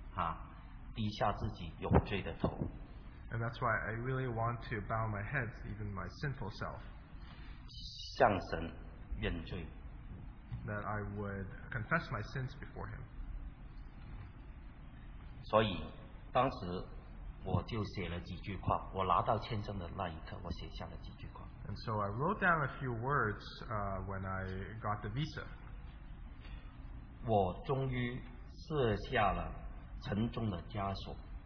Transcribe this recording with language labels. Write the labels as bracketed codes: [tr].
[zh] 所以我觉得我自己诚心诚意地低下自己有罪的头。 [en] And that's why I really want to bow my head, even my sinful self. [zh] 向神认罪。 [en] That I would confess my sins before Him. [zh] 所以当时 我就写了几句话，我拿到签证的那一刻，我写下了几句话。 [en] And so I wrote down a few words when I got the visa. [zh] 我终于卸下了沉重的枷锁。